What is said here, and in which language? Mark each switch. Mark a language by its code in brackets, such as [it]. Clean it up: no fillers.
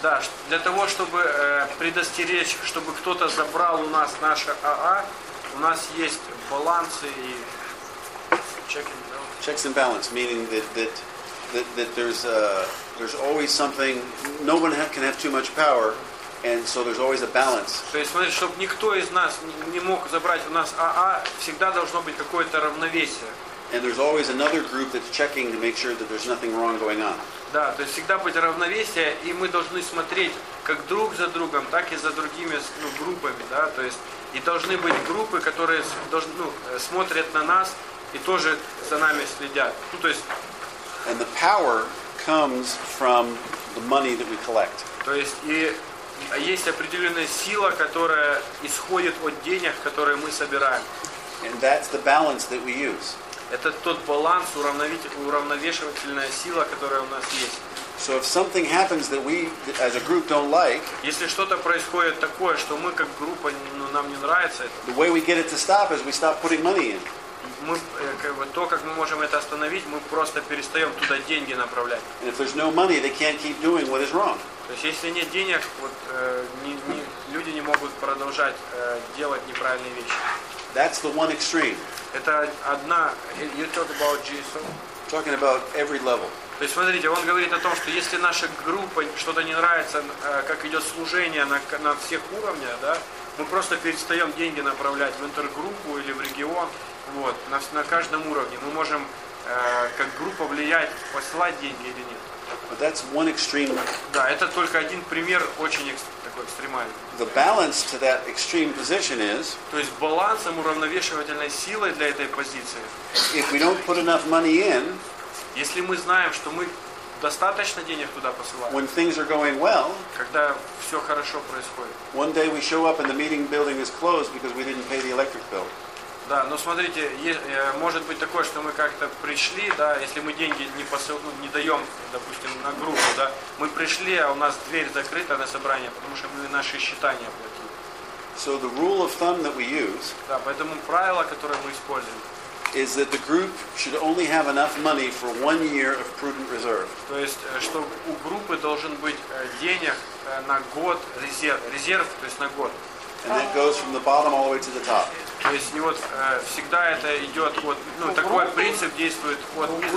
[ru] Да, для того, чтобы предостеречь, чтобы кто-то забрал у нас наше АА, у нас есть балансы и [en] checks and balances, meaning that there's always something. No one can have too much power, and so there's always a balance. [ru] То есть, смотрите, чтобы никто из нас не мог забрать у нас АА, всегда должно быть какое-то равновесие. [en] And there's always another group that's checking to make sure that there's nothing wrong going on. [ru] Да, то есть всегда быть равновесие, и мы должны смотреть как друг за другом, так и за другими группами, да, то есть и должны быть группы, которые смотрят на нас и тоже за нами следят. [en] And the power comes from the money that we collect. [ru] То есть и есть определенная сила, которая исходит от денег, которые мы собираем. [en] And that's the balance that we use. [ru] Это тот баланс, уравновешивательная сила, которая у нас есть. [en] So if something happens that we as a group don't like, [ru] если что-то происходит такое, что мы как группа, ну, нам не нравится, это, [en] the way we get it to stop is we stop putting money in. [ru] Мы, как бы, то, как мы можем это остановить, мы просто перестаем туда деньги направлять. [en] And if there's no money, they can't keep doing what is wrong. [ru] То есть если нет денег, вот, люди не могут продолжать делать неправильные вещи. [en] That's the one extreme. [ru] Это одна. [en] You talk about Jesus. Talking about every level. [ru] То есть смотрите, он говорит о том, что если наша группа что-то не нравится, как идет служение на всех уровнях, да, мы просто перестаем деньги направлять в интергруппу или в регион. Вот, на каждом уровне мы можем как группа влиять, посылать деньги или нет. [en] But that's one extreme. [ru] Да, это только один пример очень такой экстремальный. [en] The balance to that extreme position is, [ru] то есть балансом уравновешивательной силой для этой позиции, [en] if we don't put enough money in, [ru] если мы знаем, что мы достаточно денег туда посылаем, [en] when things are going well, [ru] когда все хорошо происходит, [en] one day we show up and the meeting building is closed because we didn't pay the electric bill. [ru] Да, но смотрите, может быть такое, что мы как-то пришли, да, если мы деньги не даем, допустим, на группу, да, мы пришли, а у нас дверь закрыта на собрание, потому что мы наши счета не оплатили. [en] So the rule of thumb that we use, [ru] да, поэтому правило, которое мы используем, [en] is that the group should only have enough money for 1 year of prudent reserve. [ru] То есть, что у группы должен быть денег на год, резерв, то есть на год. [en] And that goes from the bottom all the way to the top. [ru] То есть не вот всегда это идет вот, ну, у такой группы, принцип действует от низа.